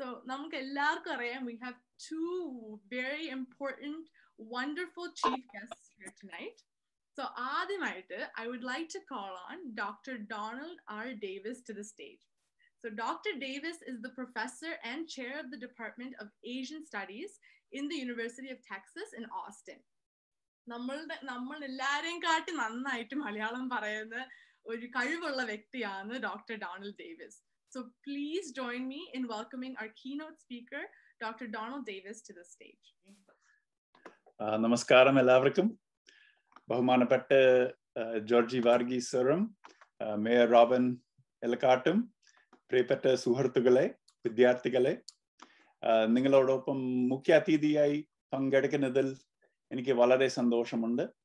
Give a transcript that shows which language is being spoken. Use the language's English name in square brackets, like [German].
[Malayalam] നമുക്ക് എല്ലാവർക്കും അറിയാം [English] We have two very important wonderful chief guest tonight. So [Malayalam] ആദ്യമായിട്ട് [English] I would like to call on doctor Donald R Davis to the stage. So Dr. Davis is the professor and chair of the Department of Asian Studies in the University of Texas in Austin. [Malayalam] നമ്മളെല്ലാരെയും കാട്ടി നന്നായിട്ട് മലയാളം പറയുന്ന ഒരു കഴിവുള്ള വ്യക്തിയാണ് doctor Donald Davis. [English] So please join me in welcoming our keynote speaker, Dr. Donald Davis to the stage. [Malayalam] നമസ്കാരം എല്ലാവർക്കും. ബഹുമാനപ്പെട്ട Georgy വാർഗീസ് സാറും മേയർ റോബൻ എലക്കാട്ടും പ്രിയപ്പെട്ട സുഹൃത്തുക്കളെ, വിദ്യാർത്ഥികളെ, നിങ്ങളോടൊപ്പം മുഖ്യ അതിഥിയായി പങ്കെടുക്കുന്നതിൽ എനിക്ക് വളരെ സന്തോഷമുണ്ട്.